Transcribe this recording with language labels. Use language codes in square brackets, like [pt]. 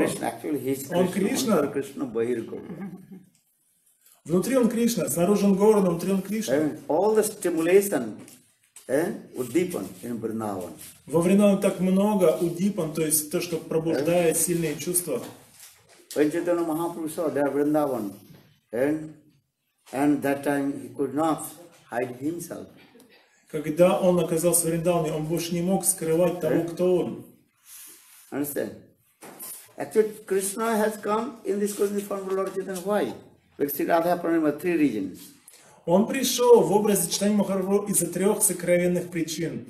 [en] Krishna, actually, he is [ru] он Кришна. [en] Krishna. Krishna Bahirgam. [ru] Внутри он Кришна, снаружи он Говард, внутри он Кришна. [en] And all the stimulation. Удипан in Vrindavan. [ru] Во Вриндаване так много удипан, то есть то, что пробуждает сильные чувства. [en] When Chaitanya Mahaprabhu saw there Vrindavan, and that time he could not hide himself. [ru] Когда он оказался в Вриндаване, он больше не мог скрывать того, кто он. [en] Understand? Actually, Krishna has come in this cosmic form of Lord Chaitanya. Why? Because Radha Pranam has three regions. [ru] Он пришел в образе Чайтанья Махапрабху из-за трех сокровенных причин.